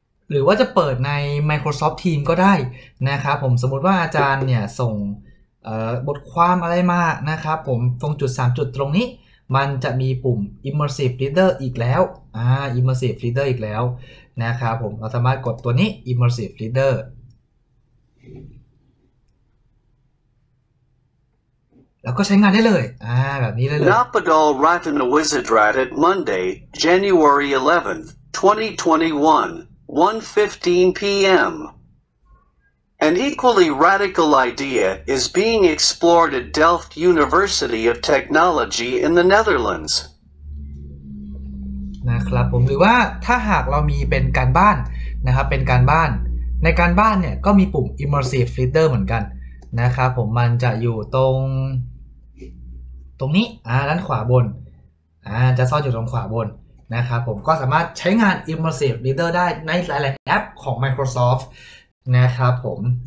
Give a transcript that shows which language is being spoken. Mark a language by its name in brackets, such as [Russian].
[Thai] หรือว่าจะเปิดใน Microsoft Teams ก็ได้นะครับผมสมมติว่าอาจารย์เนี่ยส่งบทความอะไรมานะครับผมตรงจุด3จุดตรงนี้มันจะมีปุ่ม Immersive Reader อีกแล้ว Immersive Reader อีกแล้วนะครับผมเราสามารถกดตัวนี้ Immersive Reader แล้วก็ใช้งานได้เลยแบบนี้เลย [English] Napadol Ratan Wizardrat Monday January 11th 2021 1:15 p.m. An equally radical idea is being explored at Delft University of Technology in the Netherlands. [Thai] นะครับผมหรือว่าถ้าหากเรามีเป็นการบ้านนะครับเป็นการบ้านในการบ้านเนี่ยก็มีปุ่ม Immersive Reader เหมือนกันนะครับผมมันจะอยู่ตรงนี้ด้านขวาบนจะซ่อนอยู่ตรงขวาบนนะครับผมก็สามารถใช้งาน Immersive Reader ได้ในหลายๆแอปของ Microsoftนะครับผม